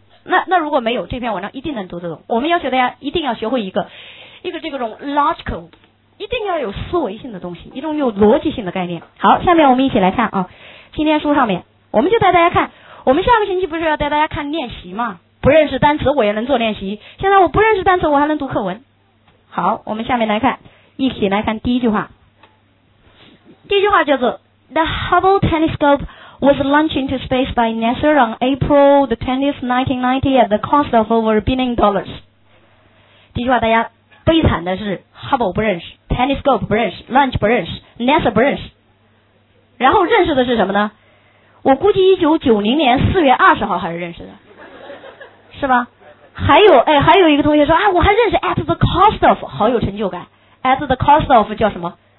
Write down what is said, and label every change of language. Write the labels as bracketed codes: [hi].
[zh] 那如果没有，这篇文章一定能读得懂。我们要求大家一定要学会一个这种 logical, 一定要有思维性的东西，一种有逻辑性的概念。好，下面我们一起来看啊，今天书上面我们就带大家看，我们下个星期不是要带大家看练习吗？不认识单词我也能做练习，现在我不认识单词我还能读课文。好，我们下面来看，一起来看第一句话。第一句话叫做 [en] The Hubble Telescope was launched into space by NASA on April the 20th, 1990 at the cost of over $1 billion. [zh] 第一句话大家悲惨的是 Hubble 不认识， Telescope 不认识， Launch 不认识， NASA 不认识，然后认识的是什么呢？我估计1990年4月20号还是认识的，是吧？还有哎，还有一个同学说啊，我还认识 [en] at the cost of, [zh] 好有成就感， at the cost of 叫什么？